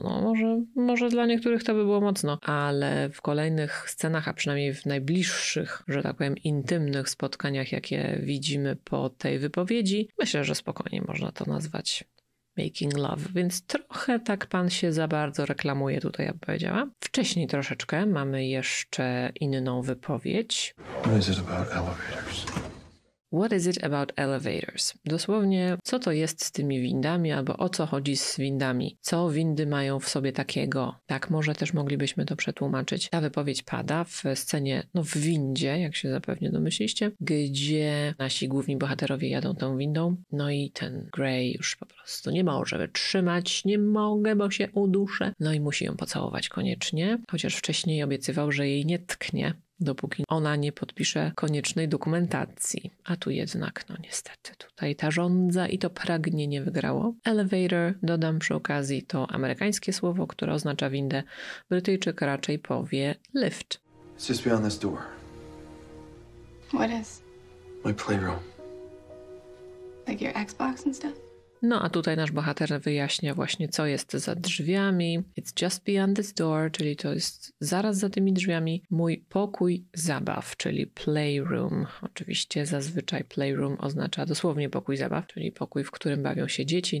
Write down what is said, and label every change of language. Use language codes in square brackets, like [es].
[pl] No może dla niektórych to by było mocno, ale w kolejnych scenach, a przynajmniej w najbliższych, że tak powiem, intymnych spotkaniach, jakie widzimy po tej wypowiedzi, myślę, że spokojnie można to nazwać [en] making love, [pl] więc trochę tak pan się za bardzo reklamuje tutaj, ja bym powiedziała. Wcześniej troszeczkę mamy jeszcze inną wypowiedź. [en] What is it about elevators? What is it about elevators? [pl] Dosłownie, co to jest z tymi windami, albo o co chodzi z windami? Co windy mają w sobie takiego? Tak, może też moglibyśmy to przetłumaczyć. Ta wypowiedź pada w scenie, no w windzie, jak się zapewne domyśliście, gdzie nasi główni bohaterowie jadą tą windą. No i ten Grey już po prostu nie może wytrzymać, nie mogę, bo się uduszę. No i musi ją pocałować koniecznie, chociaż wcześniej obiecywał, że jej nie tknie, dopóki ona nie podpisze koniecznej dokumentacji. A tu jednak, no niestety, tutaj ta żądza i to pragnienie wygrało. Elevator, dodam przy okazji, to amerykańskie słowo, które oznacza windę. Brytyjczyk raczej powie lift. [en] It's just beyond this door. What is? My playroom. Like your Xbox and stuff? [pl] No a tutaj nasz bohater wyjaśnia właśnie, co jest za drzwiami. [en] It's just beyond this door, [pl] czyli to jest zaraz za tymi drzwiami mój pokój zabaw, czyli playroom. Oczywiście zazwyczaj playroom oznacza dosłownie pokój zabaw, czyli pokój, w którym bawią się dzieci.